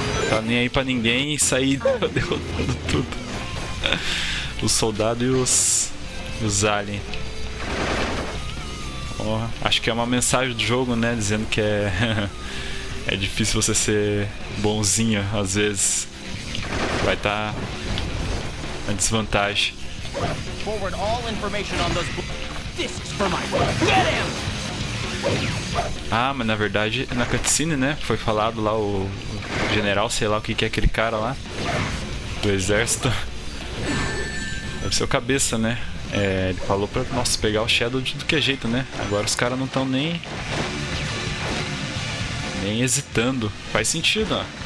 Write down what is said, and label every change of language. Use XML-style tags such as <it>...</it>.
<pt>Tá nem aí pra ninguém e sair derrotando tudo. O soldado e os aliens. Porra, acho que é uma mensagem do jogo, né? Dizendo que é difícil você ser bonzinho, às vezes. Vai estar na desvantagem.</pt> <en>Forward all information on those discs for my work. Get him!</en> <pt>Ah, mas na verdade, na cutscene, né? Foi falado lá o general, sei lá o que, que é aquele cara lá. Do exército. Deve ser o cabeça, né? É, ele falou pra nós pegar o Shadow de que jeito, né? Agora os caras não estão nem hesitando. Faz sentido, ó.</pt>